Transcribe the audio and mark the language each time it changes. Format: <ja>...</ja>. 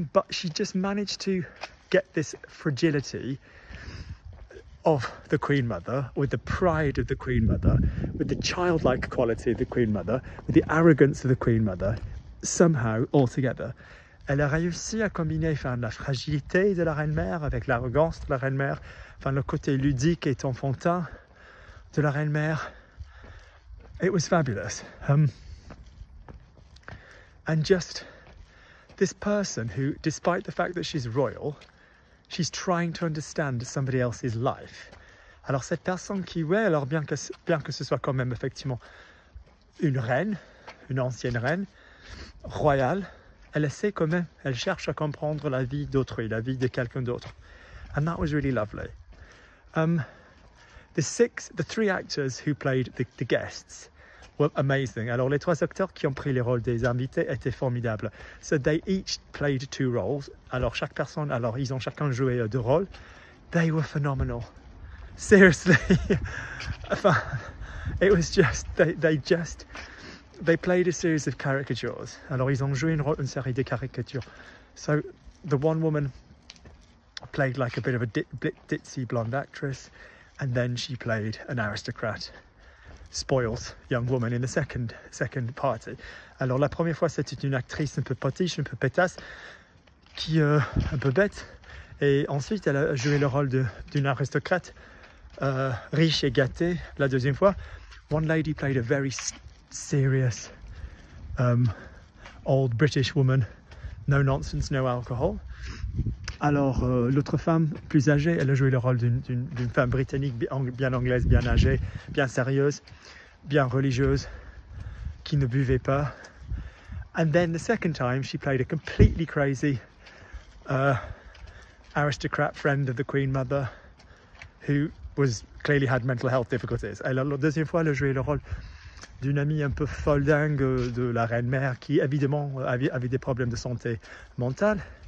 <en>She just managed to get this fragility of the Queen Mother, with the pride of the Queen Mother, with the childlike quality of the Queen Mother, with the arrogance of the Queen Mother, somehow, all together.</en> <fr>Elle a réussi à combiner, enfin, la fragilité de la Reine Mère avec l'arrogance de la Reine Mère, enfin, le côté ludique et enfantin de la Reine Mère.</fr> <en>It was fabulous. And just this person who, despite the fact that she's royal, she's trying to understand somebody else's life.</en> <fr>Alors cette personne qui, ouais, alors bien que ce soit quand même effectivement une reine, une ancienne reine royale, elle essaie quand même, elle cherche à comprendre la vie d'autrui, la vie de quelqu'un d'autre.</fr> <en>And that was really lovely. The three actors who played the guests were amazing.</en> <fr>Alors les trois acteurs qui ont pris les rôles des invités étaient formidables.</fr> <en>So they each played two roles.</en> <fr>Alors chaque personne, alors ils ont chacun joué deux rôles.</fr> <en>They were phenomenal. Seriously. Enfin, it was just, they played a series of caricatures.</en> <fr>Alors ils ont joué une série de caricatures.</fr> <en>So the one woman played like a bit of a ditzy blonde actress. And then she played an aristocrat, spoils young woman in the second party.</en> <fr>Alors la première fois, c'était une actrice un peu potiche, un peu pétasse, qui un peu bête. Et ensuite, elle a joué le rôle d'une aristocrate riche et gâtée. La deuxième fois,</fr> <en>one lady played a very serious old British woman, no nonsense, no alcohol.</en> <fr>Alors, l'autre femme, plus âgée, elle a joué le rôle d'une femme britannique bien anglaise, bien âgée, bien sérieuse, bien religieuse, qui ne buvait pas.</fr> <en>And then the second time, she played a completely crazy aristocrat friend of the Queen Mother, who was clearly had mental health difficulties.</en> <fr>Alors, la deuxième fois, elle a joué le rôle d'une amie un peu folle dingue de la reine mère, qui évidemment avait des problèmes de santé mentale.</fr>